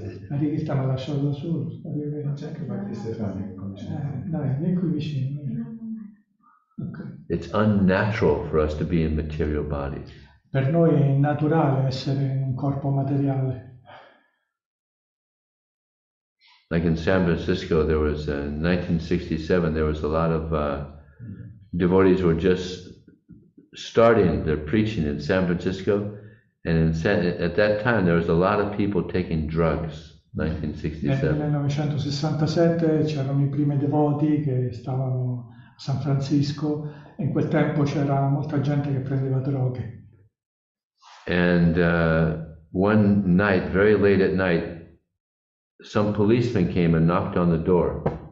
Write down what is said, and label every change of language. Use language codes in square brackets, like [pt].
[it] Arrivista mi ha lasciato da solo. Arrivi. C'è anche Marti Stefani che conosce. Dai, vieni qui vicino. Okay. [en] It's unnatural for us to be in material bodies. [it] Per noi è innaturale essere in un corpo materiale. [en] Like in San Francisco, there was in 1967, there was a lot of devotees were just starting their preaching in San Francisco, and in at that time there was a lot of people taking drugs. 1967. [it] Nel 1967 c'erano i primi devoti che stavano a San Francisco. In quel tempo c'era molta gente che prendeva droghe. [en] And one night, very late at night, some policeman came and knocked on the door.